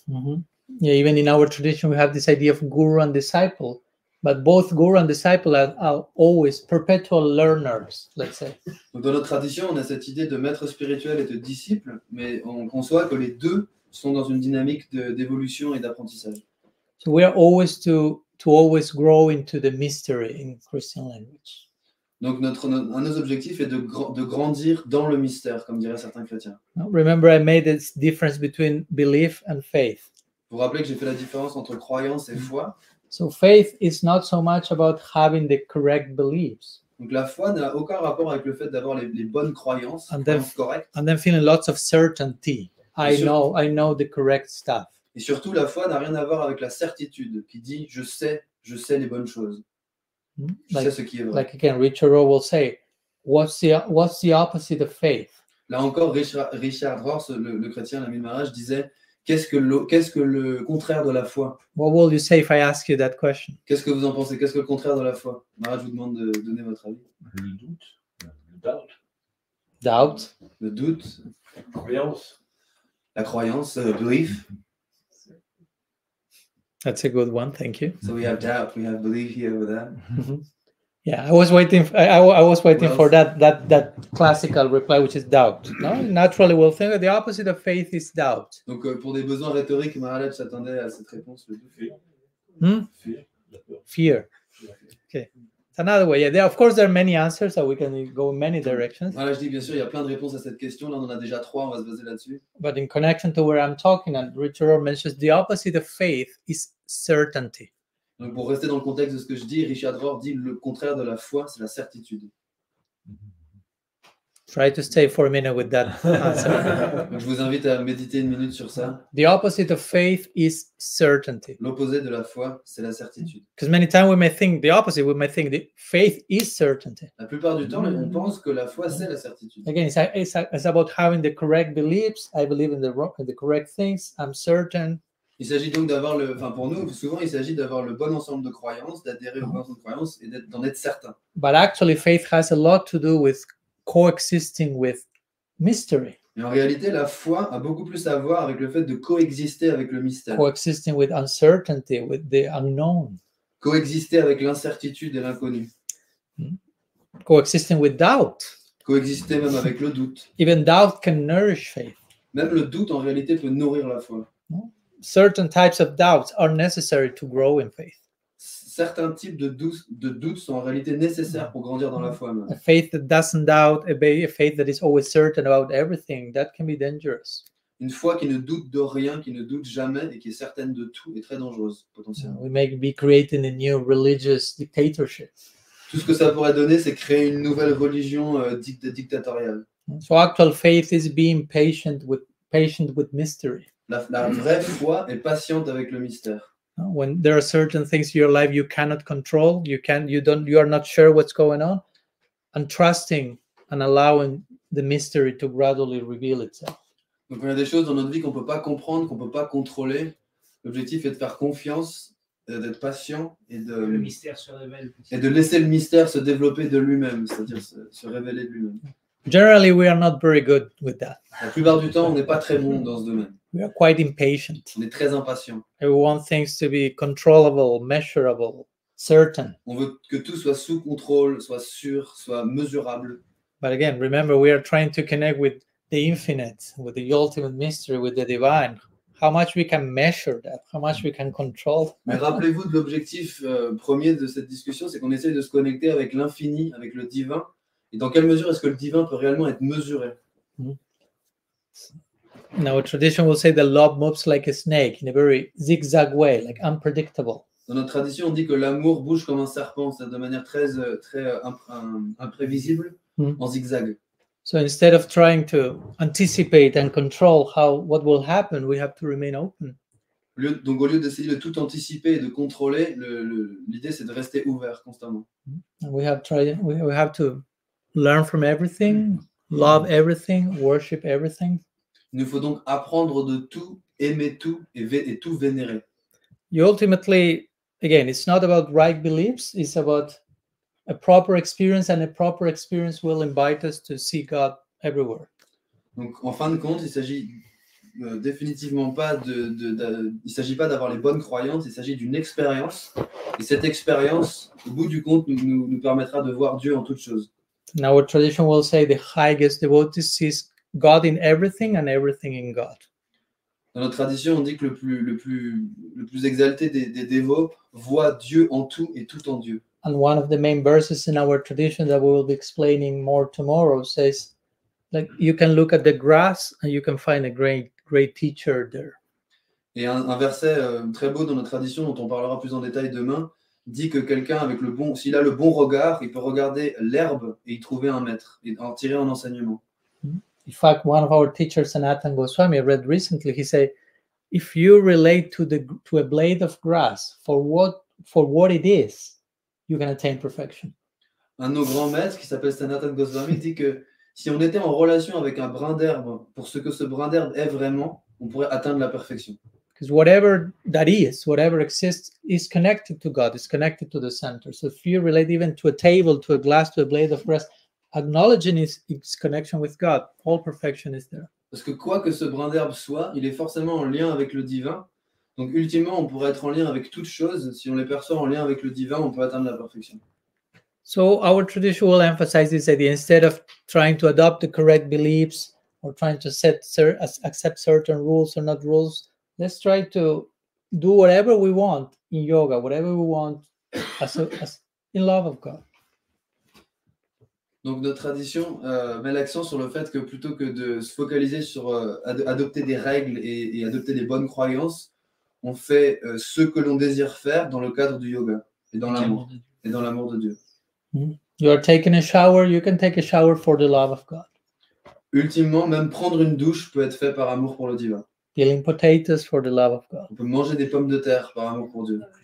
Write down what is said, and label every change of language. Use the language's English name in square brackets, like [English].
[English] Mm-hmm. Yeah, even in our tradition, we have this idea of guru and disciple, but both guru and disciple are always perpetual learners, let's say. [French] Donc, dans notre tradition, on a cette idée de maître spirituel et de disciple, mais on conçoit que les deux sont dans une dynamique d'évolution et d'apprentissage. [English] So we are always to always grow into the mystery in Christian language. [French] Donc un de nos objectifs est de grandir dans le mystère, comme diraient certains chrétiens. [English] Remember, I made this difference between belief and faith. [French] Vous rappelez que j'ai fait la différence entre croyance et foi. [English] So faith is not so much about having the correct beliefs. [French] Donc la foi n'a aucun rapport avec le fait d'avoir les bonnes croyances, correctes. [English] And then feeling lots of certainty. I know the correct stuff. [French] Et surtout, la foi n'a rien à voir avec la certitude qui dit je sais les bonnes choses. Je sais ce qui est vrai. [English] Like again, Richard Rohr will say, what's the opposite of faith? [French] Là encore, Richard Rohr, le chrétien, l'ami de mariage, disait, qu'est-ce que le contraire de la foi? [English] What will you say if I ask you that question? [French] Qu'est-ce que vous en pensez? Qu'est-ce que le contraire de la foi? Mariage, je vous demande de donner votre avis. Le doute. Le [English] doubt. Doubt. [French] Le doute. La croyance. La croyance, [English] belief. That's a good one. Thank you. So we have doubt. We have belief here with that. Mm-hmm. Yeah, I was waiting. I was waiting for that classical reply, which is doubt. No, naturally, we'll think that the opposite of faith is doubt. [French] Donc, pour des besoins rhétoriques, Maharaj s'attendait à cette réponse. Le doute. [English] Fear. Okay. It's another way. Yeah. Of course, there are many answers, so we can go in many directions. [French] Voilà, je dis bien sûr, il y a plein de réponses à cette question. Là, on en a déjà trois. On va se baser là-dessus. [English] But in connection to where I'm talking, and Richard Rohr mentions the opposite of faith is certainty. [French] Donc, pour rester dans le contexte de ce que je dis, Richard Rohr dit le contraire de la foi, c'est la certitude. [English] Try to stay for a minute with that answer. [French] Je vous invite à méditer une minute sur ça. [English] The opposite of faith is certainty. [French] L'opposé de la foi, c'est la certitude. [English] Because many times we may think the opposite. We may think that faith is certainty. [French] La plupart du temps, on pense que la foi, c'est la certitude. [English] Again, it's about having the correct beliefs. I believe in the correct things. I'm certain. [French] Il s'agit donc d'avoir pour nous, souvent, il s'agit d'avoir le bon ensemble de croyances, d'adhérer au bon ensemble de croyances et d'en être certain. [English] But actually, faith has a lot to do with coexisting with mystery. [French] Mais en réalité, la foi a beaucoup plus à voir avec le fait de coexister avec le mystère. [English] Coexisting with uncertainty, with the unknown. [French] Coexister avec l'incertitude et l'inconnu. [English] Coexisting with doubt. [French] Coexister même avec le doute. [English] Even doubt can nourish faith. [French] Même le doute, en réalité, peut nourrir la foi. [English] Certain types of doubts are necessary to grow in faith. [French] Certains types de doutes sont en réalité nécessaires pour grandir dans la foi. [English] A faith that doesn't doubt, a faith that is always certain about everything, that can be dangerous. [French] Une foi qui ne doute de rien, qui ne doute jamais et qui est certaine de tout est très dangereuse potentiellement. [English] We may be creating a new religious dictatorship. [French] Tout ce que ça pourrait donner, c'est créer une nouvelle religion dictatoriale. [English] So actual faith is being patient with mystery. [French] La vraie foi est patiente avec le mystère. [English] When there are certain things in your life you cannot control, you are not sure what's going on, and trusting and allowing the mystery to gradually reveal itself. [French] Donc, il y a des choses dans notre vie qu'on peut pas comprendre, qu'on peut pas contrôler. L'objectif est de faire confiance, d'être patient et de le mystère se révèle et de laisser le mystère se développer de lui-même, c'est-à-dire se révéler de lui-même. [English] Generally, we are not very good with that. [French] La plupart du temps, on n'est pas très bon dans ce domaine. [English] We are quite impatient. [French] On est très impatient. [English] We want things to be controllable, measurable, certain. [French] On veut que tout soit sous contrôle, soit sûr, soit mesurable. [English] But again, remember, we are trying to connect with the infinite, with the ultimate mystery, with the divine. How much we can measure that? How much we can control? [French] Mais rappelez-vous de l'objectif premier de cette discussion, c'est qu'on essaye de se connecter avec l'infini, avec le divin. Et dans quelle mesure est-ce que le divin peut réellement être mesuré? [English] Now, a tradition will say the love moves like a snake in a very zigzag way, like unpredictable. [French] Dans notre tradition, on dit que l'amour bouge comme un serpent, c'est de manière très très imprévisible, en zigzag. [English] So instead of trying to anticipate and control what will happen, we have to remain open. [French] Donc au lieu d'essayer de tout anticiper et de contrôler, l'idée c'est de rester ouvert constamment. [English] We have to learn from everything, love everything, worship everything. [French] Il nous faut donc apprendre de tout, aimer tout et tout vénérer. [English] You ultimately, again, it's not about right beliefs, it's about a proper experience, and a proper experience will invite us to see God everywhere. [French] Donc en fin de compte, il s'agit définitivement pas il s'agit pas d'avoir les bonnes croyances, il s'agit d'une expérience, et cette expérience, au bout du compte, nous permettra de voir Dieu en toutes choses. [English] Now our tradition will say the highest devotee sees God in everything and everything in God. [French] Dans notre tradition, on dit que le plus exalté des dévots voit Dieu en tout et tout en Dieu. [English] And one of the main verses in our tradition that we will be explaining more tomorrow says, like, you can look at the grass and you can find a great teacher there. [French] Et un verset très beau dans notre tradition dont on parlera plus en détail demain dit que quelqu'un avec le bon, s'il a le bon regard, il peut regarder l'herbe et y trouver un maître et en tirer un enseignement. [English] In fact, one of our teachers, Sanatana Goswami, I read recently, he said, if you relate to a blade of grass for what it is, you can attain perfection. [French] Un de nos grands maîtres qui s'appelle Sanatana Goswami dit que si on était en relation avec un brin d'herbe pour ce que ce brin d'herbe est vraiment, on pourrait atteindre la perfection. [English] Because whatever that is, whatever exists, is connected to God, is connected to the center. So if you relate even to a table, to a glass, to a blade of grass, acknowledging its connection with God, all perfection is there. [French] Parce que quoi que ce brin d'herbe soit, il est forcément en lien avec le divin. Donc ultimement, on pourrait être en lien avec toute chose. Si on les perçoit en lien avec le divin, on peut atteindre la perfection. [English] So our tradition will emphasize this idea. Instead of trying to adopt the correct beliefs or trying to accept certain rules or not rules, let's try to do whatever we want in yoga, whatever we want as in love of God. [French] Donc notre tradition met l'accent sur le fait que plutôt que de se focaliser sur adopter des règles et adopter des bonnes croyances, on fait ce que l'on désire faire dans le cadre du yoga et dans l'amour de Dieu. [English] You are taking a shower, you can take a shower for the love of God. [French] Ultimement, même prendre une douche peut être fait par amour pour le divin. [English] Peeling potatoes for the love of God. [French] On peut manger des pommes de terre par amour pour Dieu.